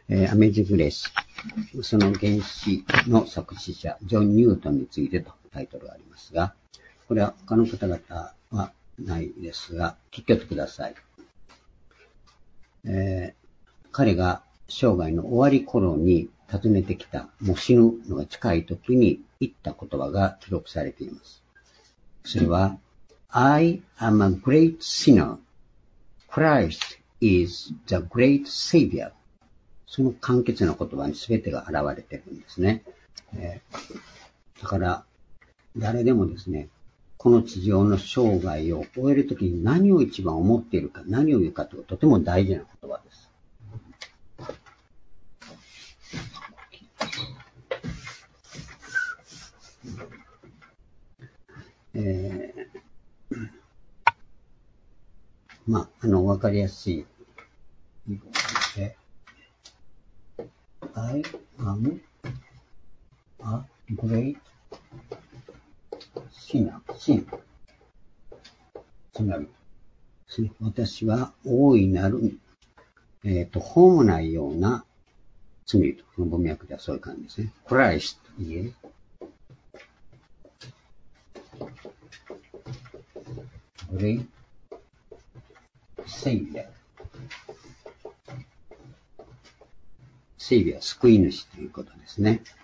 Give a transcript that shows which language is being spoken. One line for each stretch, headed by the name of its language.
Japanese: アメージングレース、その原始の作詞者、ジョン・ニュートンについてとタイトルがありますが、これは他の方々はないですが、聞き取ってください。彼が生涯の終わり頃に訪ねてきた、もう死ぬのが近い時に言った言葉が記録されています。それは、
English: I am a great sinner. Christ is the great savior.
Japanese: その簡潔な言葉に全てが現れているんですね。だから、誰でもですね、この地上の生涯を終える時に何を一番思っているか、何を言うかというのはとても大事な言葉です。分かりやすい
English: I am a great sinner.
Japanese: つまり私は大いなる法もないような罪人、この文脈ではそういう感じですね。
English: Christ is a
Japanese: サイビア、救い主ということですね。